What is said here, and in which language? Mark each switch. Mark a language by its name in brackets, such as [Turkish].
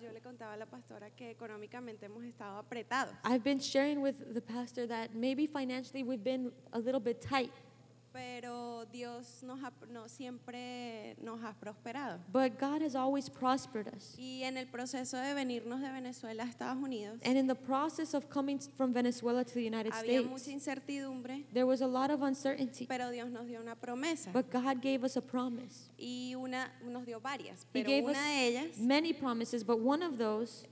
[Spanish] Yo le contaba a la pastora que económicamente hemos estado apretados. [English] I've been sharing with the pastor that maybe financially we've been a little bit tight. [Spanish] Pero Dios nos ha, no, siempre nos ha prosperado. [English] But God has always prospered us. [Spanish] Y en el proceso de venirnos de Venezuela a Estados Unidos. [English] And in the process of coming from Venezuela to the United States. [Spanish] Había mucha incertidumbre. [English] There was a lot of uncertainty. [Spanish] Pero Dios nos dio una promesa. [English] But God gave us a promise. [Spanish] Y una nos dio varias, pero una de ellas. [English] He gave us many promises, but one of those